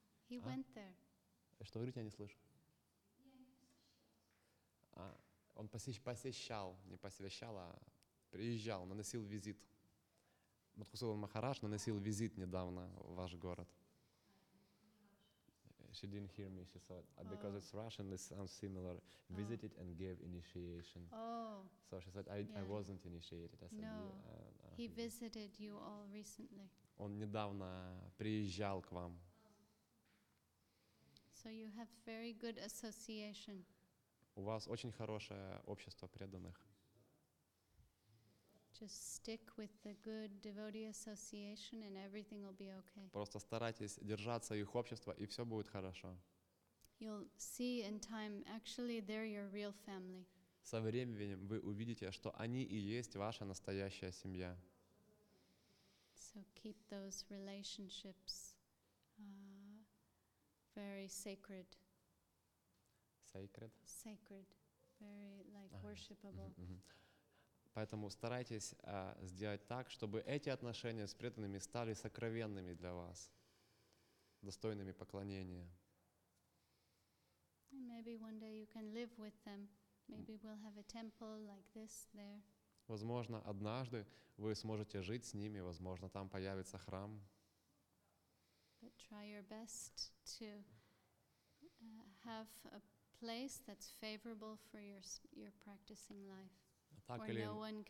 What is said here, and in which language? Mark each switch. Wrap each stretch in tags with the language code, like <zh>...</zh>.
<en>He went there.</en> <ru>Что вы говорите, я не слышу. Он посещал, не посвящал, а приезжал, наносил визит. Матхусудан Махарадж нанесил визит недавно в ваш город.</ru> <en>She didn't hear me. She said, because it's Russian, it sounds similar. Visited and gave initiation. Oh. So she said, I wasn't initiated. I said, no. He visited you all recently.</en> <ru>Он недавно приезжал к вам.</ru> <en>So you have very good association.</en> <ru>У вас очень хорошее общество преданных.</ru> <en>Just stick with the good devotee association and everything will be okay.</en> <ru>Просто старайтесь держаться их общества, и все будет хорошо.</ru> <en>You'll see in time, actually, they're your real family.</en> <ru>Со временем вы увидите, что они и есть ваша настоящая семья.</ru> <en>So keep those relationships very sacred. Sacred? Sacred. Very, like, worshipable.</en> <ru>Поэтому старайтесь сделать так, чтобы эти отношения с преданными стали сокровенными для вас, достойными поклонения.</ru> <en>Maybe one day you can live with them. Maybe we'll have a temple like this there.</en> <ru>Возможно, однажды вы сможете жить с ними, возможно, там появится храм.</ru> <en>But try your best to have a place that's favorable for your practicing life.</en>